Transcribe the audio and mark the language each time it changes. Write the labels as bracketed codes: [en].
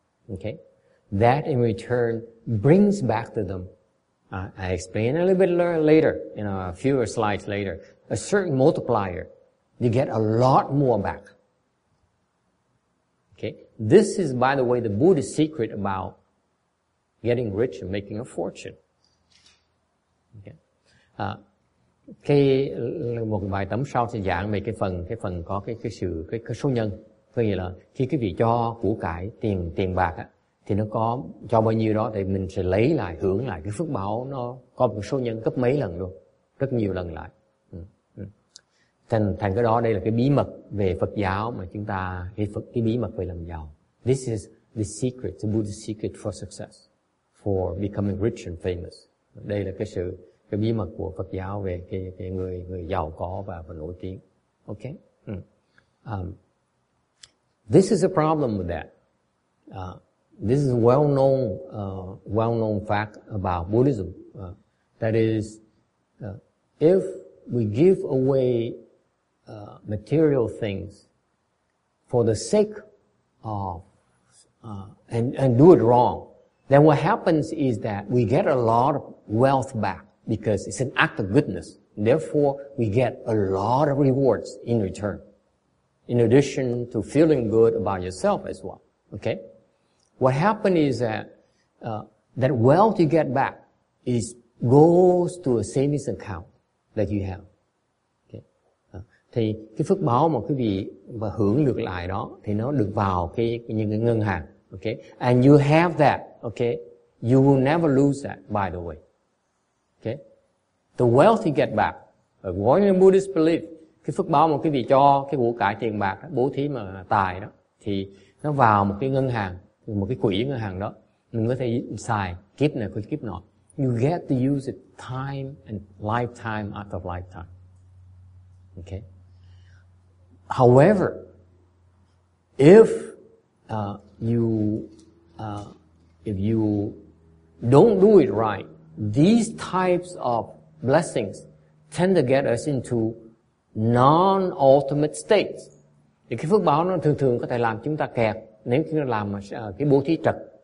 [en] Okay, that in return brings back to them, I explain a little bit later, in a few slides later, a certain multiplier, you get a lot more back. Okay, this is, by the way, the Buddhist secret about getting rich and making a fortune. [vi] Khi một vài tấm sau thì giảng về cái phần có cái số nhân, có nghĩa là khi cái vị cho của cải tiền bạc á, thì nó có cho bao nhiêu đó thì mình sẽ lấy lại, hưởng lại cái phước báo, nó có một số nhân gấp mấy lần luôn, rất nhiều lần lại. Thành cái đó, đây là cái bí mật về Phật giáo mà chúng ta, cái bí mật về làm giàu. [en] This is the secret, the Buddha's secret for success, for becoming rich and famous. [vi] Đây là cái bí mật của Phật giáo về cái người giàu có và nổi tiếng. [en] Okay. This is a problem with that. This is well known fact about Buddhism. That is, if we give away material things for the sake of and do it wrong, then what happens is that we get a lot of wealth back, because it's an act of goodness. Therefore, we get a lot of rewards in return, in addition to feeling good about yourself as well. Okay? What happened is that that wealth you get back is goes to a savings account that you have. Okay? [vi] Thì cái phước báo mà quý vị mà hưởng được lại đó thì nó được vào những cái ngân hàng. [en] Okay? And you have that. Okay? You will never lose that, by the way. Okay? The wealth you get back, according to Buddhist belief, [vi] cái phước báo mà quý vị cho cái của cải tiền bạc đó, bố thí mà tài đó, thì nó vào một cái ngân hàng, một cái quỹ ngân hàng đó, mình có thể xài kiếp này hoặc kiếp nọ. [en] You get to use it time and lifetime after lifetime. Okay. However, if you don't do it right, these types of blessings tend to get us into non-ultimate states. [vi] Thì cái phước báo nó thường thường có thể làm chúng ta kẹt nếu chúng ta làm cái bố thí trật.